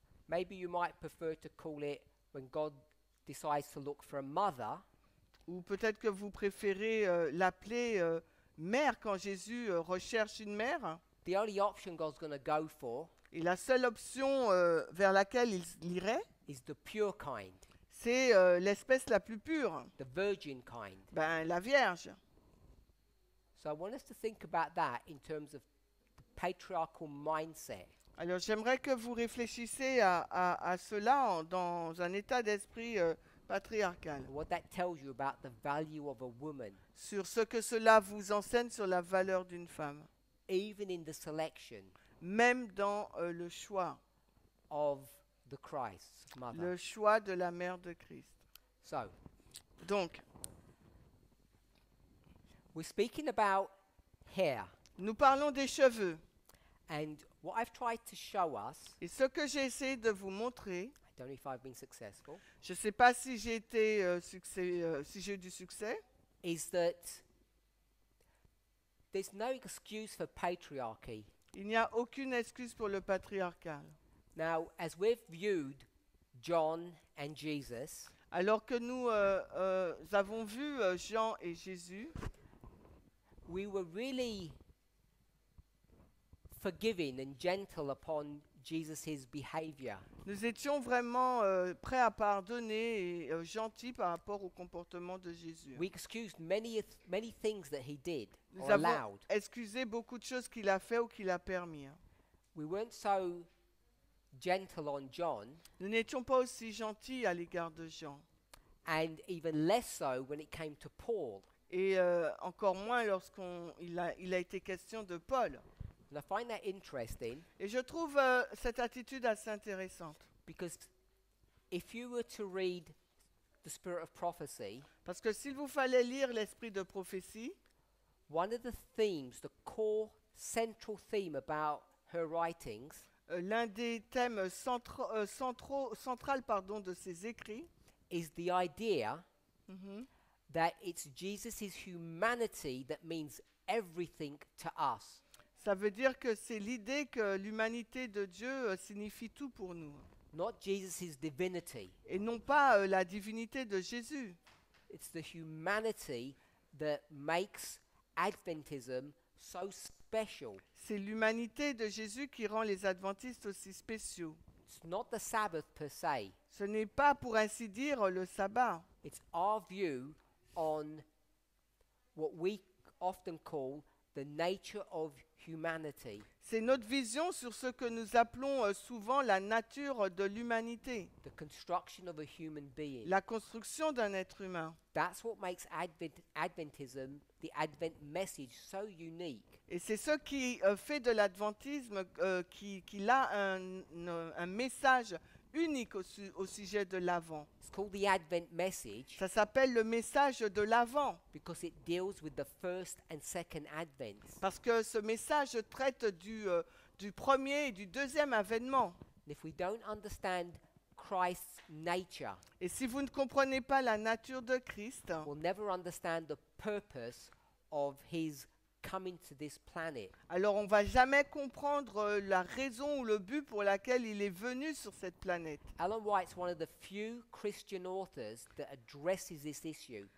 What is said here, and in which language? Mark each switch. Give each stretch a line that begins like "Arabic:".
English: Maybe you might prefer to call it when God decides to look for a mother.
French: Ou peut-être que vous préférez l'appeler mère quand Jésus recherche une mère.
English: The only option God's going to go for.
French: Et la seule option vers laquelle il irait.
English: Is the pure kind.
French: C'est l'espèce la plus pure.
English: The virgin kind.
French: Ben la vierge.
English: So I want us to think about that in terms of the patriarchal mindset.
French: Alors, j'aimerais que vous réfléchissiez à cela dans un état d'esprit patriarcal.
English: What that tells you about the value of a woman.
French: Sur ce que cela vous enseigne sur la valeur d'une femme.
English: Even in the selection.
French: Même dans le choix.
English: Of the Christ's mother.
French: Le choix de la mère de Christ.
English: So.
French: Donc.
English: We're speaking about hair.
French: Nous parlons des cheveux.
English: And what I've tried to show us,
French: et ce que j'ai essayé de vous montrer,
English: I don't know if I've been successful,
French: je ne sais pas si j'ai été si j'ai eu du succès,
English: is that there's no excuse for patriarchy.
French: Il n'y a aucune excuse pour le patriarcal.
English: Now, as we've viewed John and Jesus,
French: alors que nous avons vu Jean et Jésus,
English: we were really forgiving and gentle upon Jesus's behavior.
French: Nous étions vraiment prêts à pardonner et gentils par rapport au comportement de Jésus.
English: We excused many things that he did or allowed.
French: Nous avons excusé beaucoup de choses qu'il a fait ou qu'il a permis.
English: We weren't so gentle on John.
French: Nous n'étions pas aussi gentils à l'égard de Jean.
English: And even less so when it came to Paul.
French: Et encore moins lorsqu'on il a été question de Paul.
English: And I find that interesting.
French: Et je trouve cette attitude assez intéressante.
English: Because if you were to read the spirit of prophecy,
French: parce que s'il vous fallait lire l'esprit de prophétie,
English: one of the themes, the core central theme about her writings,
French: l'un des thèmes central de ses écrits,
English: is the idea that it's Jesus's humanity that means everything to us.
French: Ça veut dire que c'est l'idée que l'humanité de Dieu signifie tout pour nous.
English: Not Jesus's divinity.
French: Et non pas la divinité de Jésus.
English: It's the humanity that makes Adventism so special.
French: C'est l'humanité de Jésus qui rend les adventistes aussi spéciaux.
English: It's not the Sabbath per se.
French: Ce n'est pas pour ainsi dire le sabbat.
English: It's our view on what we often call the nature of humanity.
French: C'est notre vision sur ce que nous appelons souvent la nature de l'humanité.
English: The construction of a human being.
French: La construction d'un être humain.
English: That's what makes Adventism, the Advent message, so unique.
French: Et c'est ce qui fait de l'adventisme qu'il a un message unique au sujet de l'Avent.
English: It's called the Advent message.
French: Ça s'appelle le message de l'Avent.
English: Because it deals with the first and second advents.
French: Parce que ce message traite du premier et du deuxième avènement.
English: And if we don't understand Christ's nature,
French: et si vous ne comprenez pas la nature de Christ,
English: we'll never understand the purpose of his coming to this planet.
French: Alors on va jamais comprendre la raison ou le but pour laquelle il est venu sur cette planète.
English: Ellen White's one of the few Christian authors that addresses this issue.